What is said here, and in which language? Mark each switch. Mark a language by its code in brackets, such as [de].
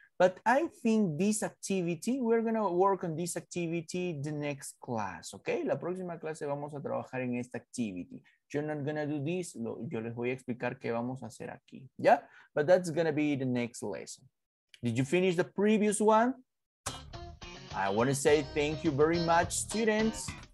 [en] But I think this activity, we're going to work on this activity the next class, okay? [es] La próxima clase vamos a trabajar en esta activity. [en] You're not going to do this. [es] Yo les voy a explicar qué vamos a hacer aquí, ¿ya? [en] But that's going to be the next lesson. Did you finish the previous one? I want to say thank you very much, students.